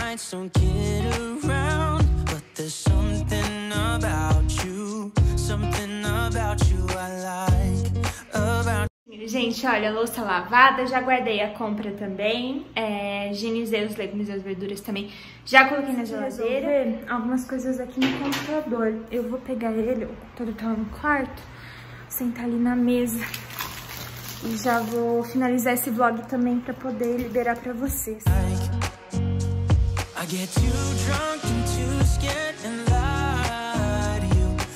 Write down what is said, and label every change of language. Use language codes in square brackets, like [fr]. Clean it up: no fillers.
[en] Don't get around, but there's something about you, something about you I like about. [pt] Gente, olha, louça lavada, já guardei a compra também, higienizei os legumes e as verduras também, já coloquei na geladeira. Algumas coisas aqui no computador, eu vou pegar ele, o computador tá no quarto, sentar ali na mesa, e já vou finalizar esse vlog também pra poder liberar pra vocês. [en] Like. Get too drunk and too scared and lie to you.